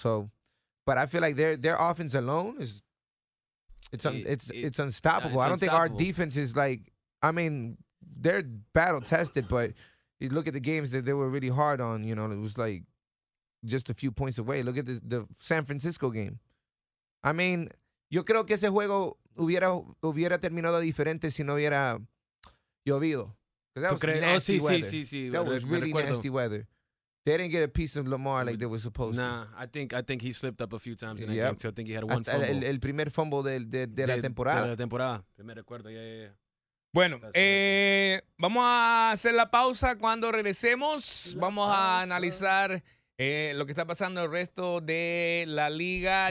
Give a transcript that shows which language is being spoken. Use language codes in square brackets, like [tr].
[en] So, but I feel like their offense alone is... It's unstoppable. Yeah, it's I don't think our defense is like, I mean, they're battle tested, but you look at the games that they were really hard on, you know, it was like just a few points away. Look at the San Francisco game. I mean, [es] yo creo que ese juego hubiera terminado diferente si no hubiera llovido. [en] Because that was nasty weather. That was really nasty weather. They didn't get a piece of Lamar like they were supposed to. Nah, I think he slipped up a few times in that game, too. I think he had one fumble. [es] El primer fumble de la temporada. De la temporada. Primer recuerdo, yeah. Bueno, vamos a hacer la pausa cuando regresemos. Vamos a analizar lo que está pasando el resto de la liga.